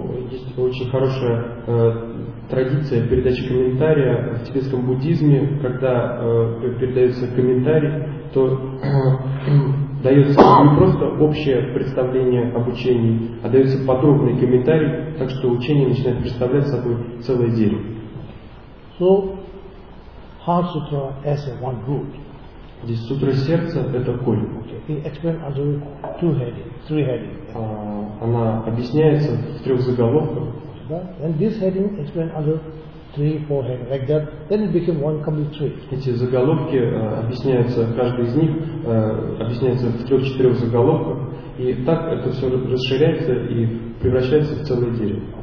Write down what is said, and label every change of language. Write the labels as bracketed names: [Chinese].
[Russian] Есть очень хорошая традиция передачи комментария в тибетском буддизме, когда передается комментарий, то дается не просто общее представление об учении, а дается подробный комментарий, так что учение начинает представлять собой целое дерево. [English] So, Heart Sutra as a one root. [Russian] Здесь сутра сердца это корень. [English] Okay. It explains under two headings, three headings. [Russian] Она объясняется в трех заголовках. [English] Yeah. And this heading explains under three, four headings, like that. Then it became one complete tree. [Russian] Эти заголовки объясняются, каждый из них объясняется в трех-четырех заголовках, и так это все расширяется и превращается в целое дерево.